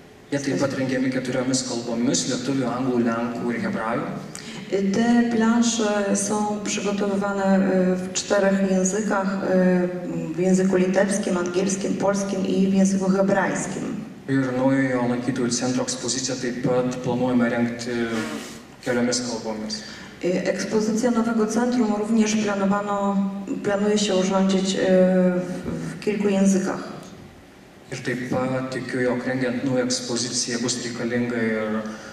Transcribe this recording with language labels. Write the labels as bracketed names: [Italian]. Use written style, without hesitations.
[Lithuanian] Ja taip pat rengiami keturiomis kalbomis, lietuvių, anglų, lenkų ir hebrajų. [Polish] Te plansze są przygotowywane w czterech językach, w języku litewskim, angielskim, polskim i w języku hebrajskim. [Lithuanian] Ir naujojo lankytojų centro ekspoziciją taip pat planuojame rengti keliomis kalbomis. [Polish] Ekspozycja nowego centrum również planuje się urządzić w kilku językach. [Lithuanian] Ir taip pat tikiu, jog rengiant naują ekspoziciją bus reikalinga ir